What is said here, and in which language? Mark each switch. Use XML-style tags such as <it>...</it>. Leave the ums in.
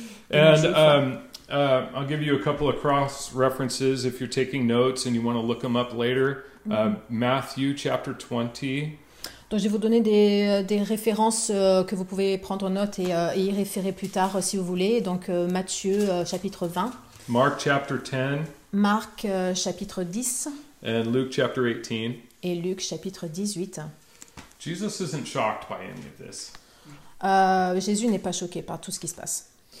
<fr>Et je vais</fr> <en>I'll give you a couple of cross references if you're taking notes and you want to look them up later.</en> <fr>Mm -hmm. uh, chapitre 20. Donc je vais vous donner des, des, références que vous pouvez prendre en note et, et y référer plus tard si vous voulez. Donc Matthieu chapitre 20. Mark chapitre 10. Marc euh, chapitre 10</fr> <en>And Luke chapter</en> <fr>et Luc chapitre 18.</fr> <en>Jesus isn't shocked by any of this.</en> <fr>Uh, Jésus n'est pas choqué par tout ce qui se passe.</fr>